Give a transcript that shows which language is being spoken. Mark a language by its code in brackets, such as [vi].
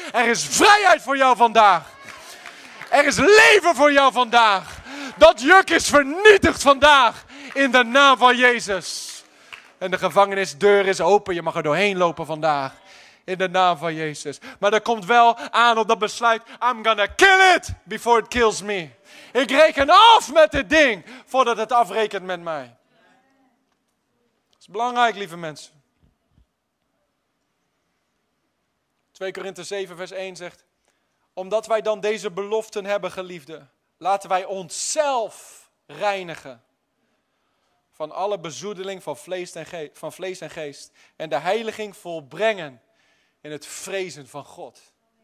[nl] Er is vrijheid voor jou vandaag. Er is leven voor jou vandaag. Dat juk is vernietigd vandaag. In de naam van Jezus. En de gevangenisdeur is open. Je mag er doorheen lopen vandaag. In de naam van Jezus. Maar er komt wel aan op dat besluit. [en] I'm gonna kill it before it kills me. [nl] Ik reken af met dit ding. Voordat het afrekent met mij. Dat is belangrijk, lieve mensen. 2 Korinthe 7 vers 1 zegt. Omdat wij dan deze beloften hebben, geliefden, laten wij onszelf reinigen van alle bezoedeling van vlees en geest en de heiliging volbrengen in het vrezen van God.